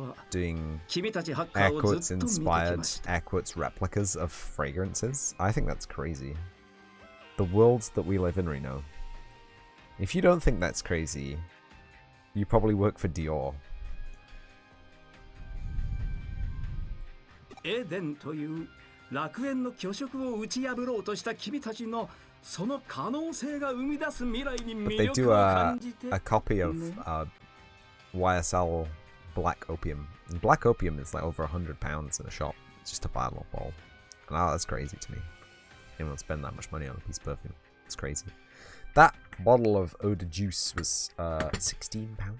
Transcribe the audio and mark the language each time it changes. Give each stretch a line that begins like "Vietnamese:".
English: doing Aquit's inspired Aquit's replicas of fragrances. I think that's crazy. The world that we live in, Reno. If you don't think that's crazy, you probably work for Dior.
Japanese: Eden という楽園の巨色を打ち破ろうとした君たちのその可能性が生み出す未来に魅力を感じて。
English: But they do a copy of YSL Black Opium. And Black Opium is like over £100 in a shop. It's just a bottle of ball. And oh, that's crazy to me. Anyone spend that much money on a piece of perfume? It's crazy. That bottle of Eau de Juice was £16.